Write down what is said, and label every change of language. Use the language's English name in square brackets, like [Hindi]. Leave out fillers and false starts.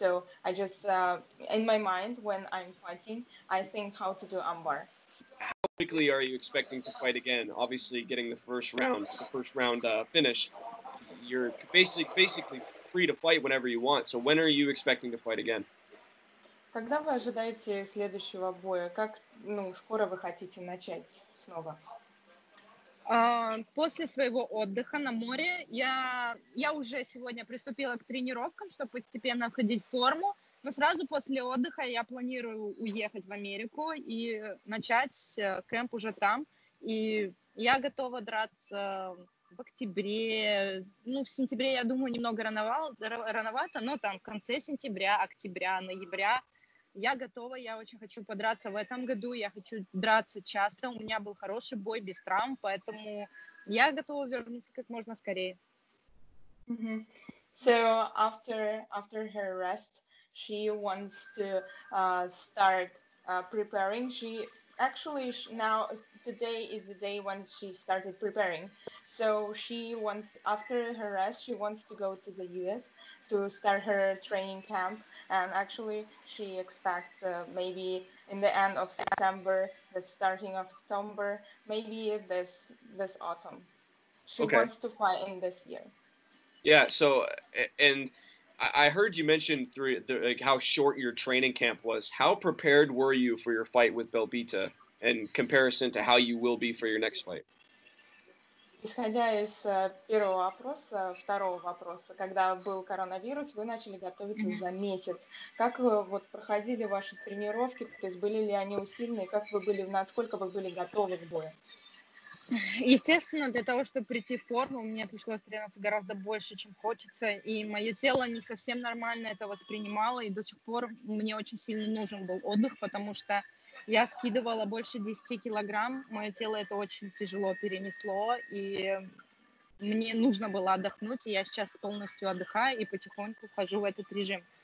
[English] So I just in my mind when I'm fighting, I think how to do armbar. How quickly are you expecting to fight again? Obviously, getting the first round finish, you're basically. Free to fight whenever you want. So when are you expecting to fight again? [Russian] Когда вы ожидаете следующего боя? Как, ну, скоро вы хотите начать снова? После своего отдыха на море я уже сегодня приступила к тренировкам, чтобы постепенно входить в форму. Но сразу после отдыха я планирую уехать в Америку и начать кемп уже там. И я готова драться. В октябре, ну, в сентябре, я думаю, немного рановато, но там в конце сентября, октября, ноября я готова, я очень хочу подраться в этом году, я хочу драться часто, у меня был хороший бой без травм, поэтому я готова вернуться как можно скорее. [English] Mm-hmm. So after her rest, she wants to start preparing, today is the day when she started preparing. So she wants, after her rest, she wants to go to the US to start her training camp. And actually, she expects maybe in the end of September, the starting of October, maybe this autumn. She wants to fight in this year. Yeah, so, and I heard you mention how short your training camp was. How prepared were you for your fight with Belbita? In comparison to how you will be for your next fight. [Russian] Исходя из первого вопроса, второго вопроса, когда был коронавирус, вы начали готовиться за месяц. Как вот проходили ваши тренировки? То есть были ли они усиленные? Как вы были, насколько вы были готовы к бою? Естественно, для того, чтобы прийти в форму, мне пришлось тренироваться гораздо больше, чем хочется, и мое тело не совсем нормально это воспринимало, и до сих пор мне очень сильно нужен был отдых, потому что я скидывала больше 10 килограмм, мое тело это очень тяжело перенесло, и мне нужно было отдохнуть, и я сейчас полностью отдыхаю и потихоньку вхожу в этот режим.